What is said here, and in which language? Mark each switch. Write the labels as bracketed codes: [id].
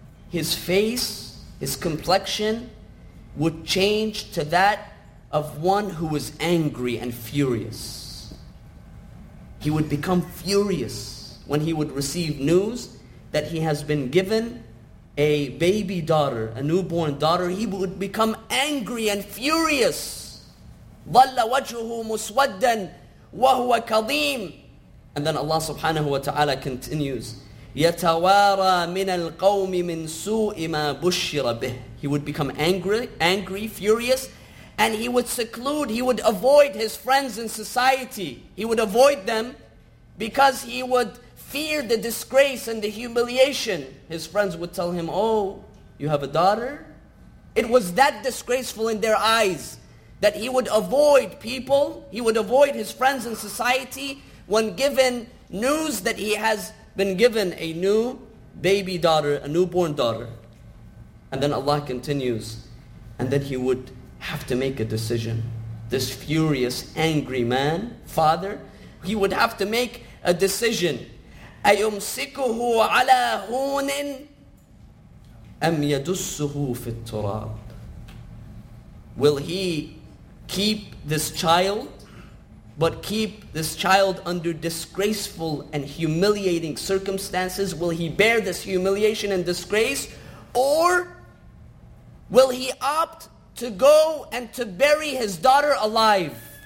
[en] His face, his complexion would change to that of one who was angry and furious. He would become furious when he would receive news that he has been given a baby daughter, a newborn daughter. He would become angry and furious. [ar] ظَلَّ وَجْهُهُ مُسْوَدًّا وَهُوَ كَظِيمٌ. [en] And then Allah subhanahu wa ta'ala continues, [ar] يَتَوَارَى مِنَ الْقَوْمِ مِنْ سُوءِ مَا بُشِّرَ بِهِ. [en] He would become angry, furious, and he would seclude, he would avoid his friends in society. He would avoid them because he would fear the disgrace and the humiliation. His friends would tell him, oh, you have a daughter? It was that disgraceful in their eyes that he would avoid people, he would avoid his friends in society when given news that he has been given a new baby daughter, a newborn daughter. And then Allah continues, and then he would have to make a decision. This furious, angry man, father, he would have to make a decision. [ar] أَيُمْسِكُهُ عَلَىٰ هُونٍ أَمْ يَدُسُّهُ فِي التُّرَابِ. [en] Will he keep this child, but keep this child under disgraceful and humiliating circumstances? Will he bear this humiliation and disgrace? Or will he opt to go and to bury his daughter alive?